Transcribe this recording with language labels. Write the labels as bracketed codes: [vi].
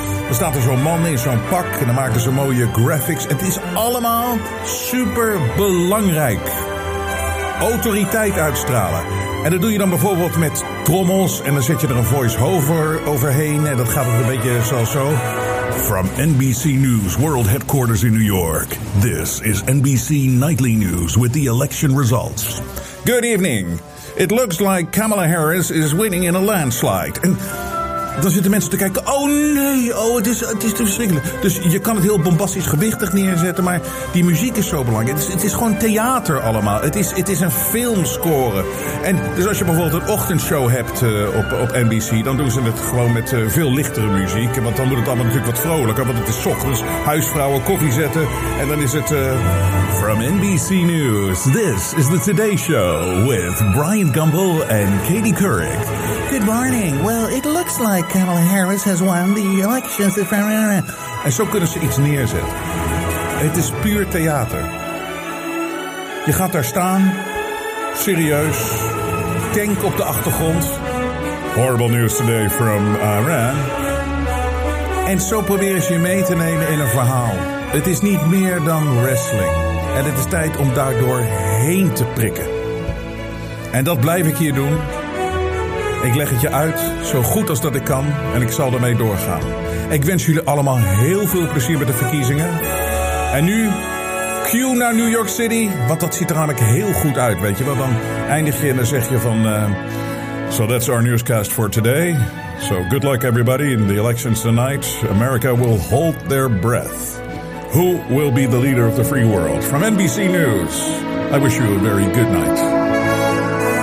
[nl] Dan staat er zo'n man in zo'n pak en dan maken ze mooie graphics. Het is allemaal super belangrijk. Autoriteit uitstralen. En dat doe je dan bijvoorbeeld met trommels en dan zet je er een voice-over overheen. En dat gaat ook een beetje zoals zo. [en] From NBC News World Headquarters in New York. This is NBC Nightly News with the election results. Good evening. It looks like Kamala Harris is winning in a landslide. [nl] En dan zitten mensen te kijken. Oh nee, oh het is te verschrikkelijk. Dus je kan het heel bombastisch gewichtig neerzetten. Maar die muziek is zo belangrijk. Het is gewoon theater allemaal. Het is een filmscore. En dus als je bijvoorbeeld een ochtendshow hebt op NBC. Dan doen ze het gewoon met veel lichtere muziek. Want dan moet het allemaal natuurlijk wat vrolijker. Want het is 's ochtends. Huisvrouwen koffie zetten. En dan is het [en] From NBC News, this is the Today Show with Brian Gumbel and Katie Couric. Good morning. Well, it looks like Kamala Harris has won the election. [nl] En zo kunnen ze iets neerzetten. Het is puur theater. Je gaat daar staan, serieus, tank op de achtergrond. [en] Horrible news today from Iran. [nl] En zo proberen ze je mee te nemen in een verhaal. Het is niet meer dan wrestling. En het is tijd om daardoor heen te prikken. En dat blijf ik hier doen. Ik leg het je uit, zo goed als dat ik kan. En ik zal ermee doorgaan. Ik wens jullie allemaal heel veel plezier met de verkiezingen. En nu, cue naar New York City. Want dat ziet er namelijk heel goed uit, weet je wel. Dan eindig je en dan zeg je van [en] So that's our newscast for today. So good luck everybody in the elections tonight. America will hold their breath. Who will be the leader of the free world? From NBC News, I wish you a very good night.